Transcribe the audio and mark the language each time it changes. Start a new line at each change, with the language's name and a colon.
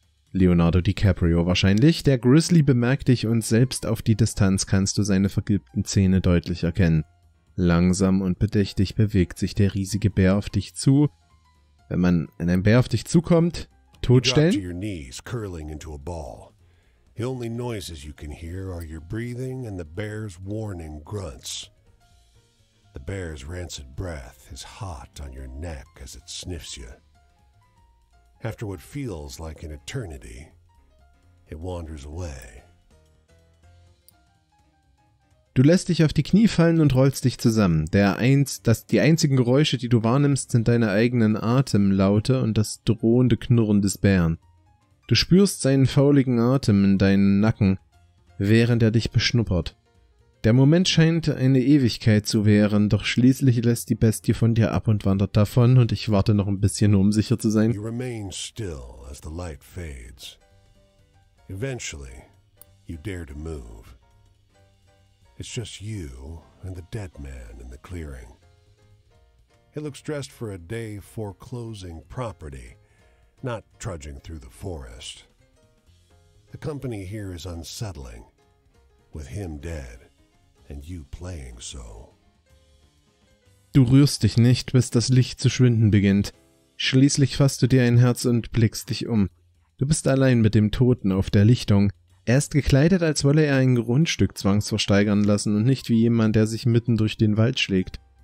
German: Leonardo DiCaprio wahrscheinlich. Der Grizzly bemerkt dich und selbst auf die Distanz kannst du seine vergilbten Zähne deutlich erkennen. Langsam und bedächtig bewegt sich der riesige Bär auf dich zu. Wenn man in einem Bär auf dich zukommt, totstellen.
English: To your knees, curling into a ball. The only noises you can hear are your breathing and the bear's warning grunts. The bear's rancid breath is hot on your neck as it sniffs you. After what feels like an eternity, it wanders away.
German: Du lässt dich auf die Knie fallen und rollst dich zusammen. Die einzigen Geräusche, die du wahrnimmst, sind deine eigenen Atemlaute und das drohende Knurren des Bären. Du spürst seinen fauligen Atem in deinen Nacken, während er dich beschnuppert. Der Moment scheint eine Ewigkeit zu wären, doch schließlich lässt die Bestie von dir ab und wandert davon und ich warte noch ein bisschen, um sicher zu sein.
English: You remain still as the light fades. Eventually, you dare to move. It's just you and the dead man in the clearing. He looks dressed for a day foreclosing property, not trudging through the forest. The company here is unsettling, with him dead and you playing so.
German: Du rührst dich nicht, bis das Licht zu schwinden beginnt. Schließlich fasst du dir ein Herz und blickst dich um. Du bist allein mit dem Toten auf der Lichtung. Er ist gekleidet, als wolle er ein Grundstück zwangsversteigern lassen und nicht wie jemand, der sich mitten durch den Wald schlägt.